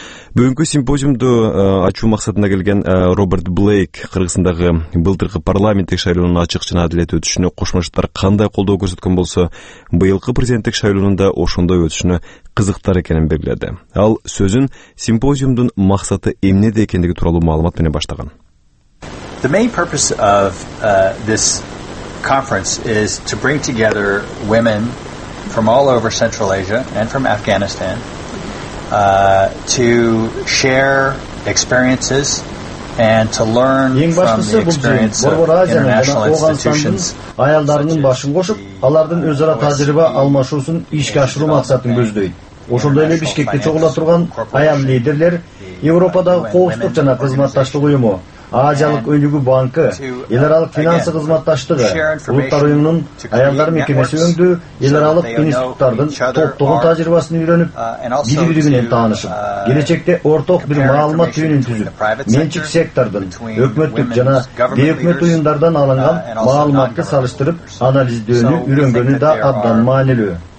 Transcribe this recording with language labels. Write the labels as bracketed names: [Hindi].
[Kyrgyz] Бүгүнкү симпозиумду ачуу максатында келген Роберт Блейк Кыргызстандагы былтыркы парламенттик шайлоонун ачык жана адилеттүү өтүшүнө Кошмо Штаттар кандай колдоо көрсөткөн болсо, быйылкы президенттик шайлоонун да ошондой өтүшүнө кызыктар экенин белгиледи. Ал сөзүн симпозиумдун максаты эмнеде экендиги тууралуу маалымат менен баштаган. [English] The main purpose of this conference is to bring together women from all over Central Asia and from Afghanistan to share experiences and to learn from the experience of international institutions. [Kyrgyz] Аялдарынын башын кошуп, алардын өз ара тажрыйба алмашуусун ишке ашыруу максатын көздөйт. Ошондой эле Бишкекте чогула турган аял лидерлер, Европадагы коопсуздук жана кызматташтык уюму, Азиялык өнүгүү банкы, эл аралык финансы кызматташтыгы, улуттар уюмунун аялдар мекемеси өңдүү, эл аралык институттардын топтогон тажрыйбасын үйрөнүп, бири-бири менен таанышып, келечекте ортак бир маалымат түйүнүн түзүп, менчик сектордун, өкмөттүк жана бейөкмөт уюмдардан алынган маалыматты салыштырып, анализдөөнү үйрөнгөнү да абдан маанилүү.